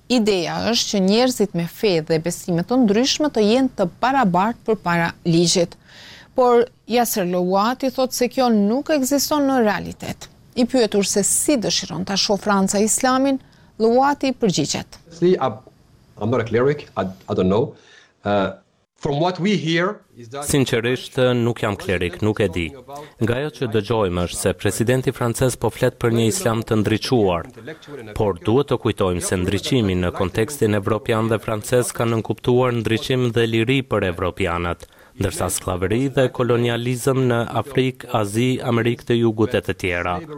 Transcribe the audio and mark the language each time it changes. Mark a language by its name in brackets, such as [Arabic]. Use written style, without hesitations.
[Albanian] Ideja është që njerëzit me fe dhe besime të ndryshme të jenë të barabartë përpara ligjit. Por Yasser Louati thotë se kjo nuk ekziston në realitet. I pyetur se si dëshiron ta shohë Franca Islamin, Louati përgjigjet. [English] I'm not a cleric, I don't know. From what we hear, [Albanian] sinqerisht nuk jam klerik, nuk e di. Nga ajo që dëgjojmë është se presidenti francez po flet për një islam të ndriçuar. Por duhet të kujtojmë se ndriçimi në kontekstin evropian dhe francez ka nënkuptuar ndriçim dhe liri për evropianët, ndërsa skllavëri dhe kolonializëm në Afrikë, Azi, Amerikë të Jugut e të tjera.